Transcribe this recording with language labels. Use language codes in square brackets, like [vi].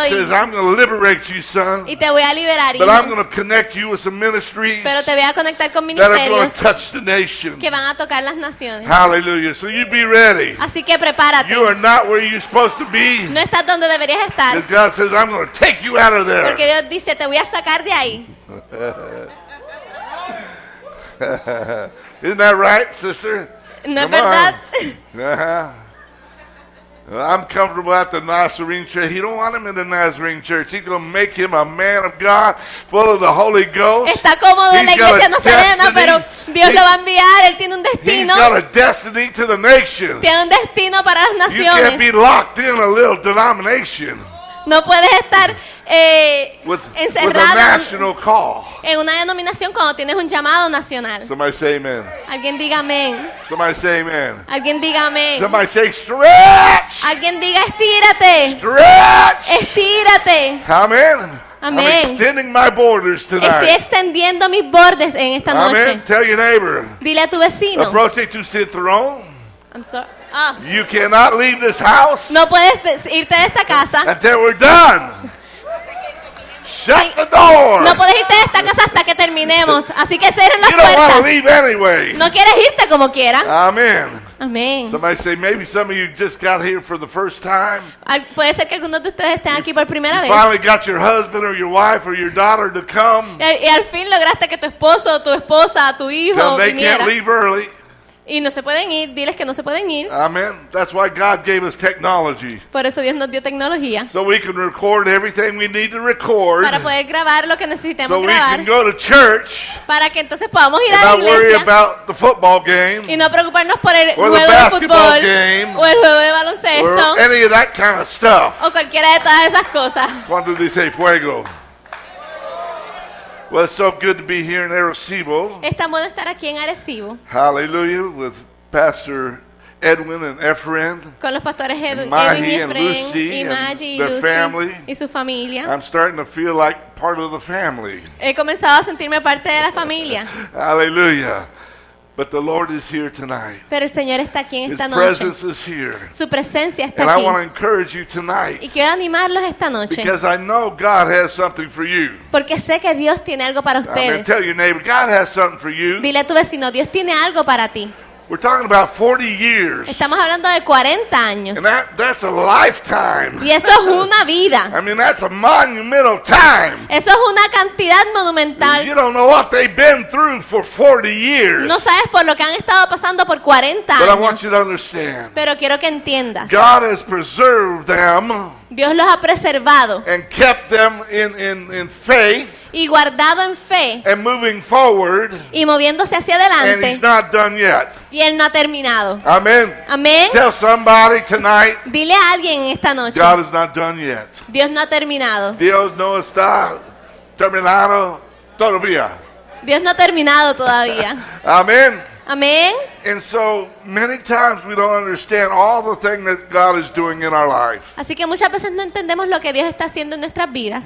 [en] And he says, I'm going to liberate you, son. [es] Y te voy a liberar, [en] but [es] hijo. [en] I'm going to connect you with some ministries. [es] Pero te voy a conectar con ministerios [en] touch the nation. [es] Que van a tocar las naciones. [en] Hallelujah. So you be ready. [es] Así que prepárate. [en] You are not where you're supposed to be. [es] No estás donde deberías estar. [en] And God says, I'm going to take you out of there. [es] Porque Dios dice, te voy a sacar de ahí. [en] Isn't that right, sister? [es] No es verdad. [en] I'm comfortable at the Nazarene church. He don't want him in the Nazarene church. He's going to make him a man of God, full of the Holy Ghost. [es] Está cómodo en la iglesia nazarena, pero Dios lo va a enviar. Él tiene un destino. [en] He's got a destiny to the nation. [es] Tiene un destino para las naciones. [en] You can't be locked in a little denomination. [es] No puedes estar encerrado [en] with a national call. [es] En una denominación cuando tienes un llamado nacional. [en] Somebody say amen. [es] Alguien diga amén. [en] Somebody say amen. [es] Alguien diga amén. [en] Somebody say stretch. [es] Alguien diga estírate. [en] Stretch. [es] Estírate. [en] Amen. [es] Amen. [en] I'm extending my borders tonight. [es] Estoy extendiendo mis bordes en esta noche. [en] Amen. Tell your neighbor. [es] Dile a tu vecino. [en] Approach it to sit throne. I'm sorry. You cannot leave this house. [es] No puedes irte de esta casa. [en] Until we're done. Shut the door. [es] No puedes irte de esta casa hasta que terminemos. Así que cierren las [en] you [es] puertas. [en] Don't want to leave anyway. [es] No quieres irte como quiera. [en] Amen. [es] Amen. [en] Somebody say maybe some of you just got here for the first time. [es] Puede ser que algunos de ustedes estén aquí por primera vez. [en] Finally got your husband or your wife or your daughter to come. [es] Y al fin lograste que tu esposo, tu esposa, tu hijo viniera. [en] They can't leave early. [es] Y no se pueden ir, diles que no se pueden ir. [en] Amen. That's why God gave us technology. [es] Por eso Dios nos dio tecnología. [en] So we can record everything we need to record. [es] Para poder grabar lo que necesitemos [en] so [es] grabar. [en] So we can go to church. [es] Para que entonces podamos ir a la iglesia. [en] Not worry about the football game. [es] Y no preocuparnos por el juego de fútbol. [en] Or the basketball game. [es] O el juego de baloncesto. [en] Or any of that kind of stuff. [es] O cualquiera de todas esas cosas. ¿Cuánto dice fuego? [en] Well, it's so good to be here in Arecibo. [es] Es tan bueno estar aquí en Arecibo. [en] Hallelujah, with Pastor Edwin and Efren. [es] Con los pastores Edwin y Efren, [en] and Lucy, the family. [es] Y su familia. [en] I'm starting to feel like part of the family. [es] He comenzado a sentirme parte de la familia. [en] Hallelujah. But the Lord is here tonight. [es] Pero el Señor está aquí en esta noche. His presence is here. Su presencia está aquí. [en] And I want to encourage you tonight. [es] Y quiero animarlos esta noche. [en] Because I know God has something for you. [es] Porque sé que Dios tiene algo para ustedes. [en] Tell your neighbor, God has something for you. [es] Dile a tu vecino, Dios tiene algo para ti. [en] We're talking about 40 years. [es] Estamos hablando de 40 años. [en] And that's a lifetime. [es] Y eso es una vida. [en] I mean, that's a monumental time. [es] Eso es una cantidad monumental. [en] You don't know what they've been through for 40 years. [es] No sabes por lo que han estado pasando por 40 años. [en] But I want you to understand. [es] Pero quiero que entiendas. [en] God has preserved them. [es] Dios los ha preservado. [en] And kept them in faith. [es] Y guardado en fe. [en] And moving forward. [es] Y moviéndose hacia adelante. [en] And he's not done yet. [es] Y él no ha terminado. [en] Amen. [es] Amen. [en] Tell somebody tonight. [es] Dile a alguien esta noche. [en] God is not done yet. [es] Dios no ha terminado. Dios no está terminado todavía. Dios no ha terminado todavía. [en] Amen. [es] Amen. [en] And so many times we don't understand all the things that God is doing in our life. [es] Así que muchas veces no entendemos lo que Dios está haciendo en nuestras vidas.